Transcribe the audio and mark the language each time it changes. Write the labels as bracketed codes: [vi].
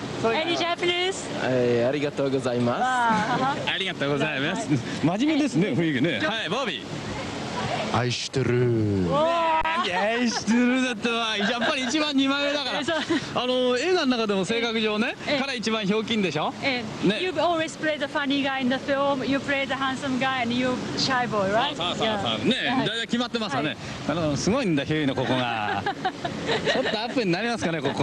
[en] Any Japanese? [ja] ありがとうございます。ありがとうございます。真面目ですね雰囲気ね。はい、ボビー。愛してる。愛してるだったわ。やっぱり一番二枚目だから。あの映画の中でも性格上ね、彼一番ひょうきんでしょ。ね。 [en] You've always played the funny guy in the film. You play the handsome guy and you shy boy, right? [ja] そうそうそうそう。ね、だいたい決まってますよね。あのすごいんだヒューイのここが。ちょっとアップになりますかねここ。